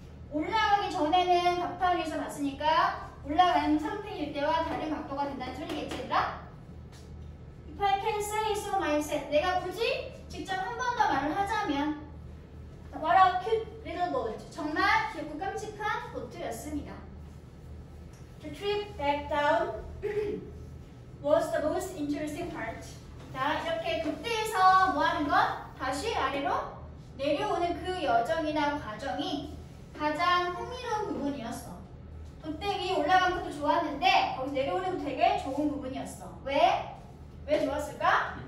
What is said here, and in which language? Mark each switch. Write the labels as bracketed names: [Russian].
[Korean] 올라가기 전에는 바탕에서 봤으니까 올라가는 상태일 때와 다른 각도가 된다는 소리겠지, 얘들아? [English] If I can say so myself, [Korean] 내가 굳이 직접 한 번 더 말을 하자면 [English] What a cute little boat. [Korean] 정말 귀엽고 깜찍한 보트였습니다. [English] The trip back down was the most interesting part. [Korean] 자, 이렇게 급대에서 뭐 하는 건? 다시 아래로 내려오는 그 여정이나 과정이 가장 흥미로운 부분이었어. 그때 위에 올라간 것도 좋았는데 거기서 내려오는 것도 되게 좋은 부분이었어. 왜? 왜 좋았을까?